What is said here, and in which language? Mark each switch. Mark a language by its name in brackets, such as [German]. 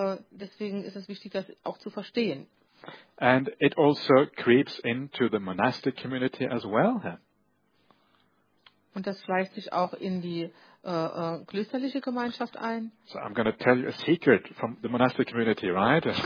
[German] Deswegen ist es wichtig, das auch zu verstehen. [English] And it also creeps into the monastic community as well. [German] Und das schleicht sich auch in die klösterliche Gemeinschaft ein. [English] So I'm going to tell you a secret from the monastic community, right?